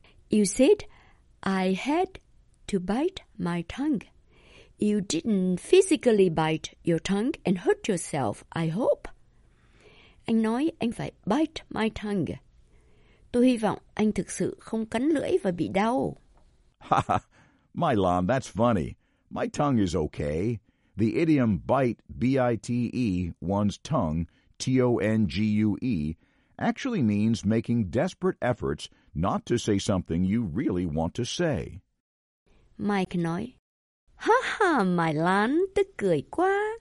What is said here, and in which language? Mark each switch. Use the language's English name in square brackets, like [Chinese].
[English] You said I had to bite my tongue. You didn't physically bite your tongue and hurt yourself, I hope. [Vietnamese] Anh nói anh phải [English] bite my tongue. [Vietnamese] Tôi hy vọng anh thực sự không cắn lưỡi và bị đau. [English] My lamb, that's funny. My tongue is okay. The idiom bite, B-I-T-E, one's tongue, T-O-N-G-U-E, actually means making desperate efforts not to say something you really want to say. [Vietnamese] Mike nói, ha ha, my lan, tức cười quá.